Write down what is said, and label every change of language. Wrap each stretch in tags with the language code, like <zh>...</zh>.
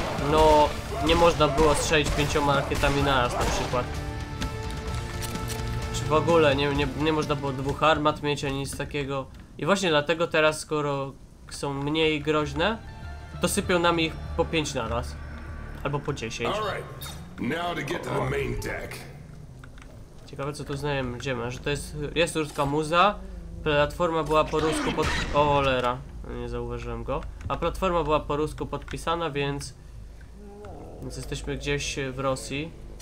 <pl>no, nie można było strzelić pięcioma rakietami naraz na przykład. Czy w ogóle nie można było dwóch armat mieć ani nic takiego. I właśnie dlatego teraz, skoro są mniej groźne, to sypią nam ich po 5 na raz. Albo po 10.</pl> <en>Now to get to the main deck.</en> <pl>Ciekawe, co tu znajdziemy, że to jest ruska muza. Platforma była po rusku pod... O, cholera, nie zauważyłem go. A platforma była po rusku podpisana, więc... Więc jesteśmy gdzieś w Rosji.</pl>